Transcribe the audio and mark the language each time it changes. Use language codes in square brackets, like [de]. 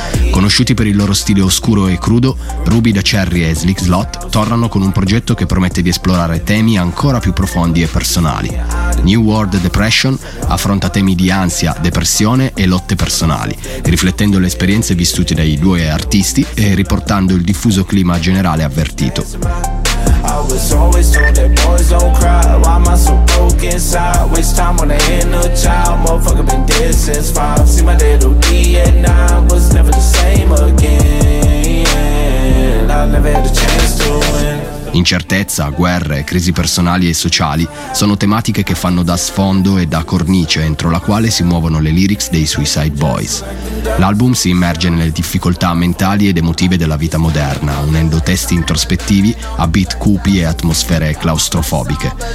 [it] Conosciuti per il loro stile oscuro e crudo, Ruby Da Cherry e Slick Slot tornano con un progetto che promette di esplorare temi ancora più profondi e personali. New World Depression affronta temi di ansia, depressione e lotte personali, riflettendo le esperienze vissute dai due artisti e riportando il diffuso clima generale avvertito. [en] I was always told that boys don't cry. Why am I so broke inside? Waste time on a inner child. Motherfucker been dead since 5. See my little D at 9. Was never the same again. I never had a chance to win. [it] Incertezza, guerre, crisi personali e sociali sono tematiche che fanno da sfondo e da cornice entro la quale si muovono le lyrics dei Suicide Boys. L'album si immerge nelle difficoltà mentali ed emotive della vita moderna, unendo testi introspettivi a beat cupi e atmosfere claustrofobiche.